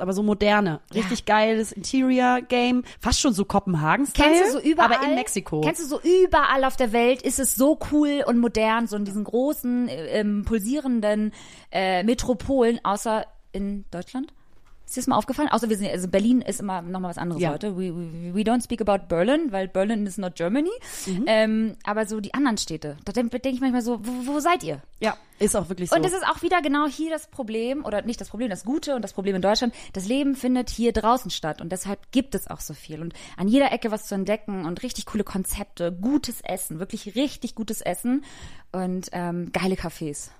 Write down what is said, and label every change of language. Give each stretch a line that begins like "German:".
German: Aber so moderne, richtig geiles Interior-Game. Fast schon so Kopenhagen-Style. Kennst du so überall? Aber in Mexiko. Kennst du so überall auf der Welt, ist es so cool und modern, so in diesen großen, pulsierenden Metropolen, außer in Deutschland? Ist dir das mal aufgefallen? Außer wir sind, also Berlin ist immer nochmal was anderes heute.
English: We don't speak about Berlin, weil Berlin is not Germany. Mhm.
German: Aber so die anderen Städte, da denke ich manchmal so, wo seid ihr? Ja, ist auch wirklich so. Und das ist auch wieder genau hier das Problem, oder nicht das Problem, das Gute und das Problem in Deutschland. Das Leben findet hier draußen statt und deshalb gibt es auch so viel. Und an jeder Ecke was zu entdecken und richtig coole Konzepte, gutes Essen, wirklich richtig gutes Essen und geile Cafés.